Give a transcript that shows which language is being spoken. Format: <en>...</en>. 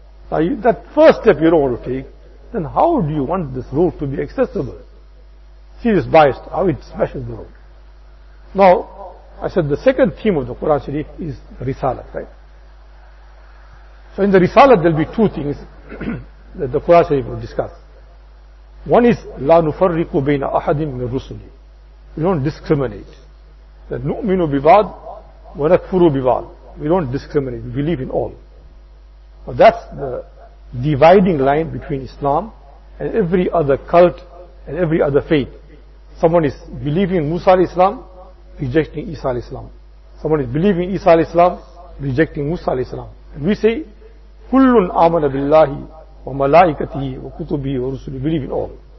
<en>Now, that first step you don't want to take, then how do you want this road to be accessible? See this bias, how it smashes the road. Now, I said the second theme of the Quran Sharif is Risalat, right? So in the Risalat, there will be two things that the Quran Sharif will discuss. One is,</en> <ar>لا نفرق بين أحد من رسلي.</ar> <en>We don't discriminate. That</en> <ar>نؤمن ببعض ونكفر ببعض.</ar> <en>We don't discriminate, we believe in all. But that's the dividing line between Islam and every other cult and every other faith. Someone is believing in Musa al-Islam, rejecting Isa al-Islam. Someone is believing Isa al-Islam, rejecting Musa al-Islam. And we say,</en> <ar>كُلٌّ آمَنَ بِاللَّهِ وَمَلَائِكَتِهِ وَكُتُبِهِ وَرُسُلِهِ.</ar> <en>Believe in all.</en>